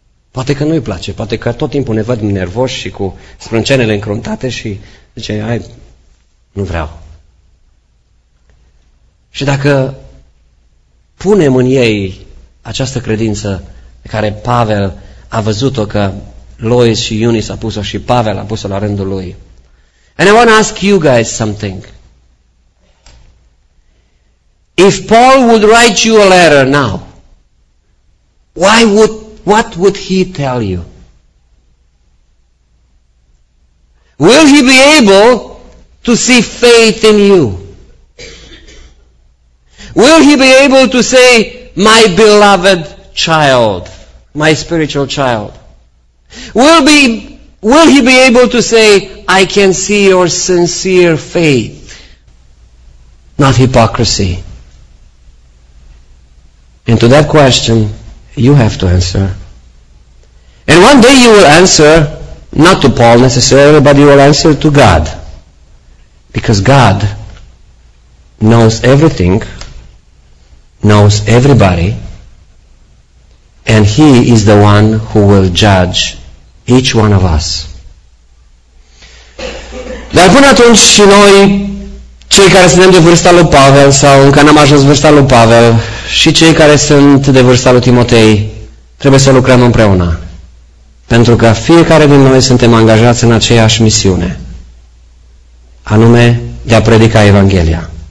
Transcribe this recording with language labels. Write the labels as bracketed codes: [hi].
[ro] Poate că nu-i place, poate că tot timpul ne văd nervoși și cu sprâncenele încruntate și zice, ai, nu vreau. Și dacă punem în ei această credință pe care Pavel a văzut-o, că Lois și Eunice a pus-o și Pavel a pus-o la rândul lui. [en] And I want to ask you guys something. If Paul would write you a letter now, what would he tell you? Will he be able to see faith in you? Will he be able to say, my beloved child, my spiritual child? Will he be able to say, I can see your sincere faith, not hypocrisy? And to that question, you have to answer. And one day you will answer, not to Paul necessarily, but you will answer to God. Because God knows everything, knows everybody, and He is the one who will judge each one of us. [ro] Dar până atunci și noi, cei care suntem de vârsta lui Pavel, sau încă n-am ajuns vârsta lui Pavel, și cei care sunt de vârsta lui Timotei, trebuie să lucrăm împreună. Pentru că fiecare din noi suntem angajați în aceeași misiune, anume de a predica Evanghelia.